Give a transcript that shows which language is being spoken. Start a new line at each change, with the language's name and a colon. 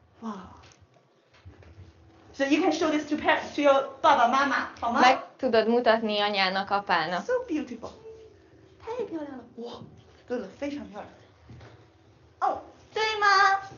English: Wow. So you can show this to your baba mama, how much?
Hungarian: Meg tudod mutatni anyának, apának.
English: So beautiful.
Chinese: 太漂亮了。哇, 真的非常漂亮。哦, 对吗?